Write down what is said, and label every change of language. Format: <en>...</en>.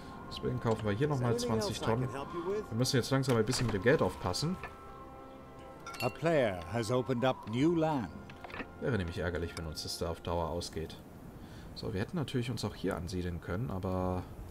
<de>Deswegen kaufen wir hier nochmal 20 Tonnen. Wir müssen jetzt langsam ein bisschen mit dem Geld aufpassen.</de> <en>A player has opened up new land.</en> <de>Wäre nämlich ärgerlich, wenn uns das da auf Dauer ausgeht. So, wir hätten natürlich uns auch hier ansiedeln können, aber...</de>